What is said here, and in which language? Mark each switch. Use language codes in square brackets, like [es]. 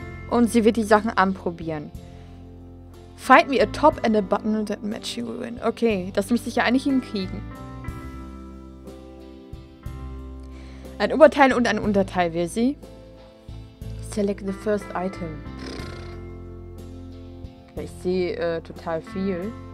[de] Und sie wird die Sachen anprobieren. [en] Find me a top and a button that match you win. [de] Okay, das müsste ich ja eigentlich hinkriegen. Ein Oberteil und ein Unterteil will sie. [en] Select the first item. [de] Okay, ich sehe total viel.